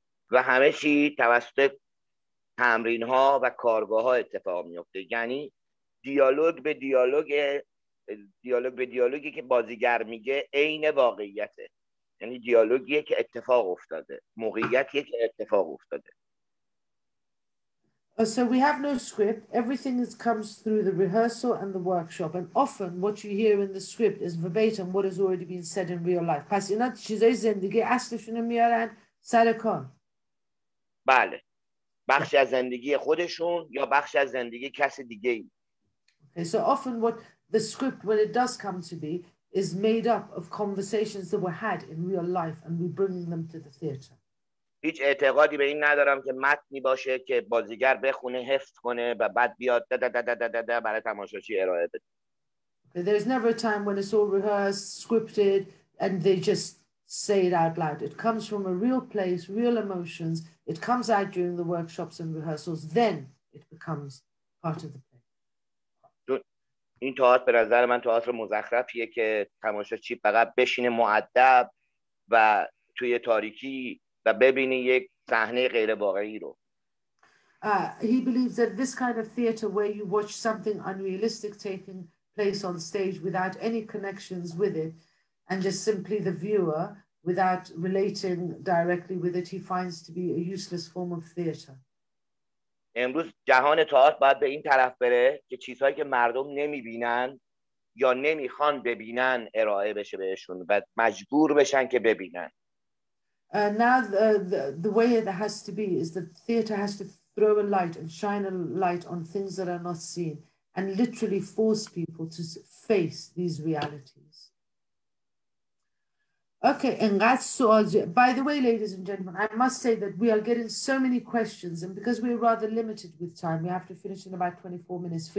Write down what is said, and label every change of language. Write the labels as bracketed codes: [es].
[fa] و همه چی توسط تمرین ها و کارگاه ها اتفاق میفته یعنی دیالوگی که بازیگر میگه عین واقعیته یعنی دیالوگیه که اتفاق افتاده موقعیتیه که اتفاق افتاده [en] So we have no script everything is comes through the rehearsal and the workshop and often what you hear in the script is verbatim what has already been said in real life [fa] پس اینا چیزای زندگی اصلشون رو میارن سر کار بله بخشی از زندگی خودشون یا بخشی از زندگی کسی دیگه ای [en] okay, So often what the script when it does come to be is made up of conversations that were had in real life and we bring them to the theater. [fa] هیچ اعتقادی به این ندارم که متنی باشه که بازیگر بخونه حفظ کنه و بعد بیاد دا دا دا دا دا دا دا برای تماشاچی ارائه بده. [en] Okay, there's never a time when it's all rehearsed, scripted and they just say it out loud. It comes from a real place, real emotions. It comes out during the workshops and rehearsals. Then it becomes part of the [fa] این تئاتر به نظر من تئاتر مزخرفیه که تماشاچی فقط بشینه مؤدب و توی تاریکی و ببینه یک صحنه غیر واقعی رو. [en] He believes that this kind of theater where you watch something unrealistic taking place on stage without any connections with it and just simply the viewer without relating directly with it he finds to be a useless form of theater. [fa] امروز جهان تئاتر باید به این طرف بره که چیزهایی که مردم نمیبینن یا نمیخوان ببینن ارائه بشه بهشون و مجبور بشن که ببینن. [en] Now the way it has to be is that theater has to throw a light and shine a light on things that are not seen and literally force people to face these realities. Okay, and by the way, ladies and gentlemen, I must say that we are getting so many questions, and because we're rather limited with time, we have to finish in about 24 minutes.